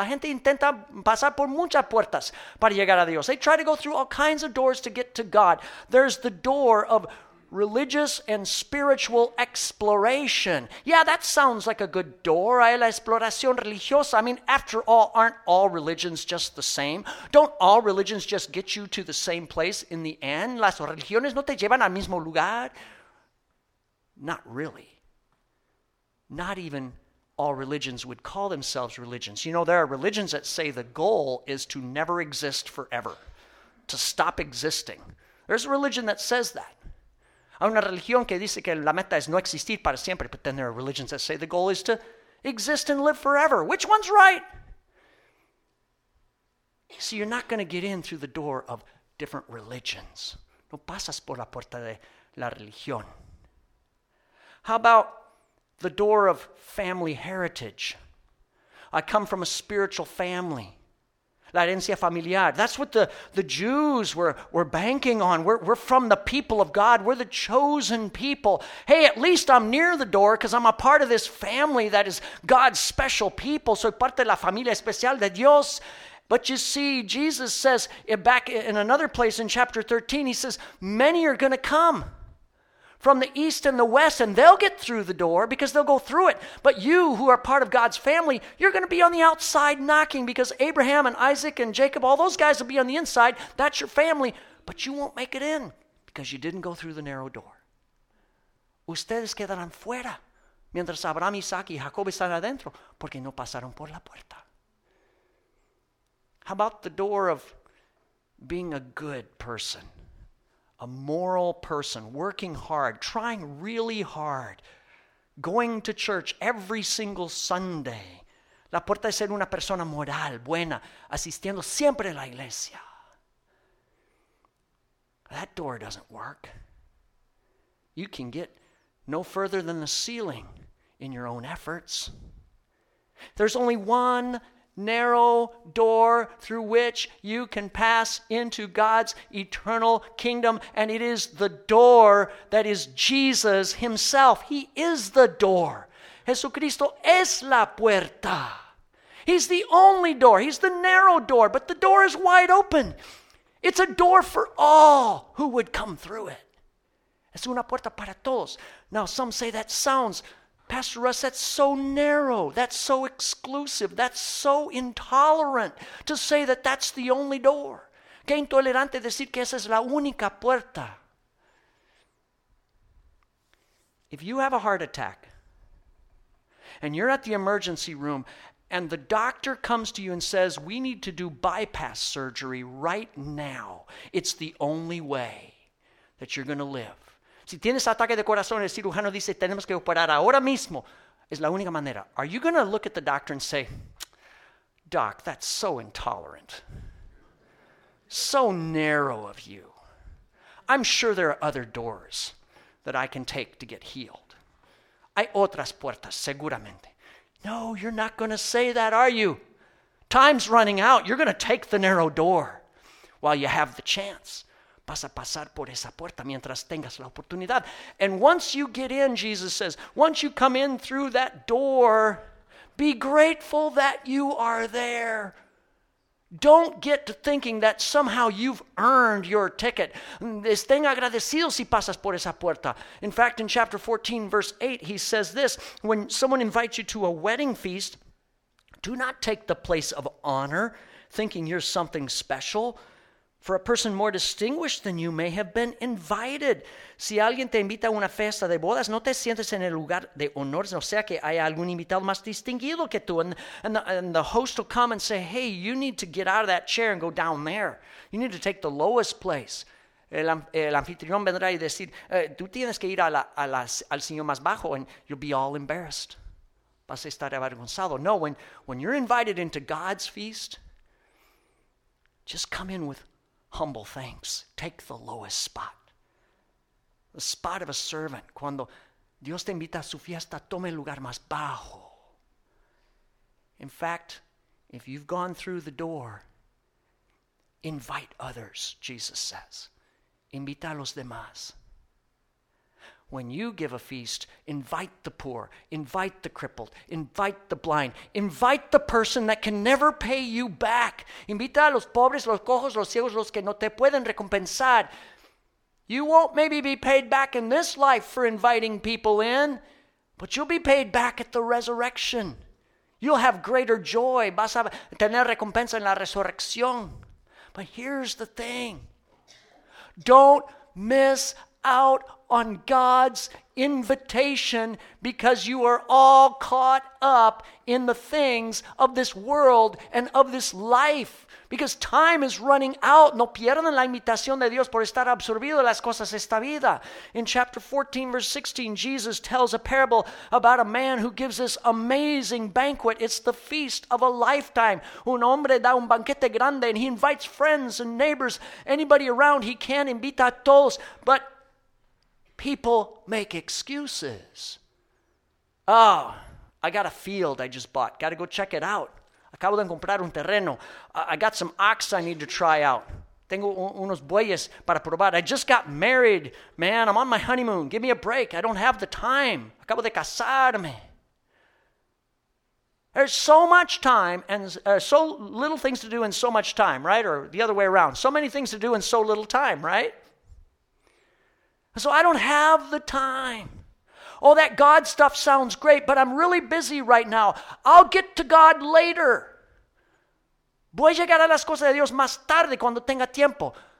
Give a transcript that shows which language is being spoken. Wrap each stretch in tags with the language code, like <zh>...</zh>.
<es>La gente intenta pasar por muchas puertas para llegar a Dios.</es> <en>They try to go through all kinds of doors to get to God. There's the door of religious and spiritual exploration. Yeah, that sounds like a good door.</en> <es>Hay la exploración religiosa.</es> <en>I mean, after all, aren't all religions just the same? Don't all religions just get you to the same place in the end?</en> <es>Las religiones no te llevan al mismo lugar.</es> <en>Not really. Not even all religions would call themselves religions. You know, there are religions that say the goal is to never exist forever, to stop existing. There's a religion that says that.</en> <es>Hay una religión que dice que la meta es no existir para siempre,</es> <en>but then there are religions that say the goal is to exist and live forever. Which one's right? See, you're not going to get in through the door of different religions.</en> <es>No pasas por la puerta de la religión.</es> <en>How about the door of family heritage? I come from a spiritual family.</en> <es>La herencia familiar.</es> <en>That's what the Jews were banking on. We're from the people of God. We're the chosen people. Hey, at least I'm near the door because I'm a part of this family that is God's special people.</en> <es>Soy parte de la familia especial de Dios.</es> <en>But you see, Jesus says back in another place in chapter 13, he says, many are going to come from the east and the west, and they'll get through the door because they'll go through it. But you who are part of God's family, you're going to be on the outside knocking because Abraham and Isaac and Jacob, all those guys will be on the inside. That's your family. But you won't make it in because you didn't go through the narrow door.</en> <es>Ustedes quedarán fuera mientras Abraham, Isaac y Jacob están adentro porque no pasaron por la puerta.</es> <en>How about the door of being a good person? A moral person, working hard, trying really hard, going to church every single Sunday.</en> <es>La puerta es ser una persona moral, buena, asistiendo siempre a la iglesia.</es> <en>That door doesn't work. You can get no further than the ceiling in your own efforts. There's only one narrow door through which you can pass into God's eternal kingdom, and it is the door that is Jesus himself. He is the door.</en> <es>Jesucristo es la puerta.</es> <en>He's the only door. He's the narrow door, but the door is wide open. It's a door for all who would come through it.</en> <es>Es una puerta para todos.</es> <en>Now, some say that sounds, Pastor Russ, that's so narrow, that's so exclusive, that's so intolerant to say that that's the only door.</en> <es>Qué intolerante decir que esa es la única puerta.</es> <en>If you have a heart attack and you're at the emergency room and the doctor comes to you and says, we need to do bypass surgery right now, it's the only way that you're going to live.</en> <es>Si tienes ataque de corazón, el cirujano dice, tenemos que operar ahora mismo. Es la única manera.</es> <en>Are you going to look at the doctor and say, doc, that's so intolerant. So narrow of you. I'm sure there are other doors that I can take to get healed.</en> <es>Hay otras puertas, seguramente.</es> <en>No, you're not going to say that, are you? Time's running out. You're going to take the narrow door while you have the chance.</en> <es>Vas a pasar por esa puerta mientras tengas la oportunidad.</es> <en>And once you get in, Jesus says, once you come in through that door, be grateful that you are there. Don't get to thinking that somehow you've earned your ticket.</en> <es>Estén agradecidos si pasas por esa puerta.</es> <en>In fact, in chapter 14, verse 8, he says this, when someone invites you to a wedding feast, do not take the place of honor, thinking you're something special. For a person more distinguished than you may have been invited.</en> <es>Si alguien te invita a una fiesta de bodas, no te sientes en el lugar de honores, no sea que haya algún invitado más distinguido que tú.</es> <en>And the host will come and say, hey, you need to get out of that chair and go down there. You need to take the lowest place.</en> <es>El anfitrión vendrá y decir, tú tienes que ir al sillón más bajo,</es> <en>and you'll be all embarrassed.</en> <es>Vas a estar avergonzado.</es> <en>No, when you're invited into God's feast, just come in with humble thanks. Take the lowest spot. The spot of a servant.</en> <es>Cuando Dios te invita a su fiesta, tome el lugar más bajo.</es> <en>In fact, if you've gone through the door, invite others, Jesus says.</en> <es>Invita a los demás.</es> <en>When you give a feast, invite the poor, invite the crippled, invite the blind, invite the person that can never pay you back.</en> <es>Invita a los pobres, los cojos, los ciegos, los que no te pueden recompensar.</es> <en>You won't maybe be paid back in this life for inviting people in, but you'll be paid back at the resurrection. You'll have greater joy.</en> <es>Vas a tener recompensa en la resurrección.</es> <en>But here's the thing. Don't miss out on God's invitation because you are all caught up in the things of this world and of this life. Because time is running out.</en> <es>No pierdan la invitación de Dios por estar absorbido de las cosas de esta vida.</es> <en>In chapter 14, verse 16, Jesus tells a parable about a man who gives this amazing banquet. It's the feast of a lifetime.</en> <es>Un hombre da un banquete grande</es> <en>and he invites friends and neighbors, anybody around he can,</en> <es>invita a todos.</es> <en>But people make excuses. Oh, I got a field I just bought. Got to go check it out.</en> <es>Acabo de comprar un terreno.</es> <en>I got some ox I need to try out.</en> <es>Tengo unos bueyes para probar.</es> <en>I just got married, man. I'm on my honeymoon. Give me a break. I don't have the time.</en> <es>Acabo de casarme.</es> <en>There's so much time and so little things to do and so much time, right? Or the other way around. So many things to do and so little time, right? So I don't have the time. Oh, that God stuff sounds great, but I'm really busy right now. I'll get to God later.</en> <es>Voy a llegar a las cosas de Dios más tarde cuando tenga tiempo.</es>